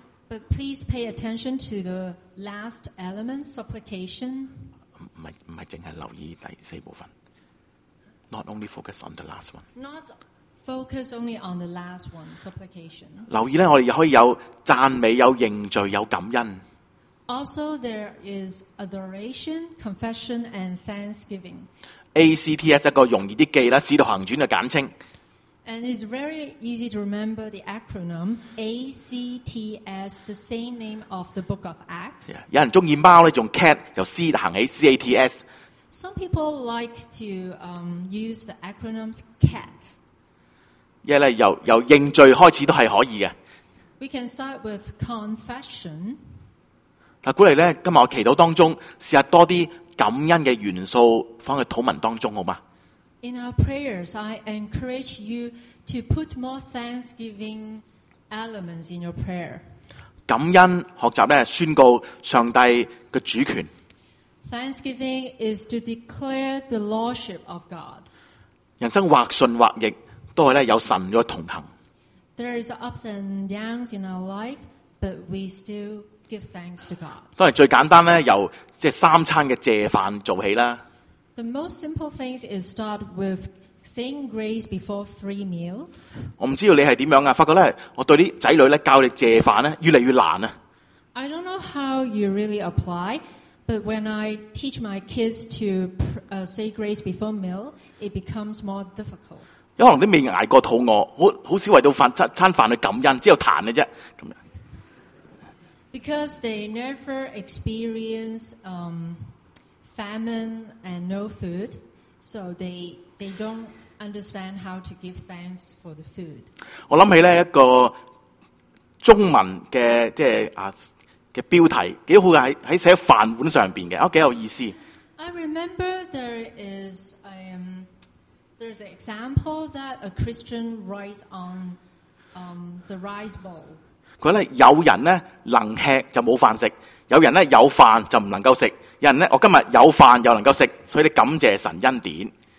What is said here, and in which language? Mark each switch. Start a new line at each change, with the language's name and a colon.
English: But please pay attention to the last element, supplication.
Cantonese: 唔系净系留意第四部分。
English: Not only focus on the last one. Not focus only on the last one, supplication.
Cantonese: 留意咧，我哋可以有赞美、有认罪、有感恩。
English: Also, there is adoration, confession, and thanksgiving.
Cantonese: ACTS 一个容易啲记啦，使徒行传嘅简称。
English: And it's very easy to remember the acronym ACTS, the same name of the book of Acts.
Cantonese: Yeah, 有人中意猫咧，用 cat 就 C 行起 CATS。
English: Some people like to use the acronyms cats.
Cantonese: 因为咧由认罪开始都系可以嘅。
English: We can start with confession.
Cantonese: 但鼓励咧，今日我祈祷当中，试下多啲感恩嘅元素放喺祷文当中，好吗
English: ？In our prayers, I encourage you to put more thanksgiving elements in your prayer.
Cantonese: 感恩学习咧，宣告上帝嘅主权。
English: Thanksgiving is to declare the lordship of God.
Cantonese: 人生或顺或逆，都系咧有神嘅同行。
English: There is ups and downs in our life, but we still. Give thanks to God.
Cantonese: 当然最简单咧，由即系三餐嘅借饭做起啦。
English: The most simple thing is start with saying grace before three meals.
Cantonese: 我唔知道你系点样啊，发觉咧，我对啲仔女咧教你借饭咧越嚟越难啊。
English: I don't know how you really apply, but when I teach my kids to say grace before meal, it becomes more difficult.
Cantonese: 有可能都未挨过肚饿，好少为到餐饭去感恩，只有弹嘅啫咁样。
English: Because they never experience famine and no food, so they don't understand how to give thanks for the food.
Cantonese: 我谂起咧一个中文嘅即系啊嘅标题，几好嘅喺写饭碗上边嘅，啊几有意思。
English: I remember there's an example that a Christian writes on the rice bowl.
Cantonese: 佢咧有人咧能吃就冇饭食，有人咧有饭就唔能够食，有人咧我今日有饭又能够食，所以你感谢神恩典。